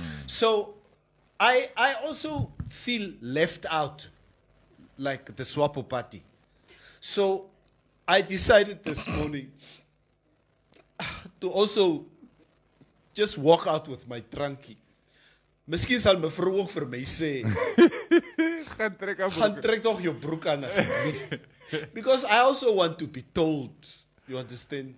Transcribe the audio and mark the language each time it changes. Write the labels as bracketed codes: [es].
[en] So I also feel left out, like the swapo party. So I decided this morning to also just walk out with my trunkie. [af] Miskien sal my vrou ook vir my sê, gaan trek tog jou broek aan asseblief. [en] Because I also want to be told, you understand?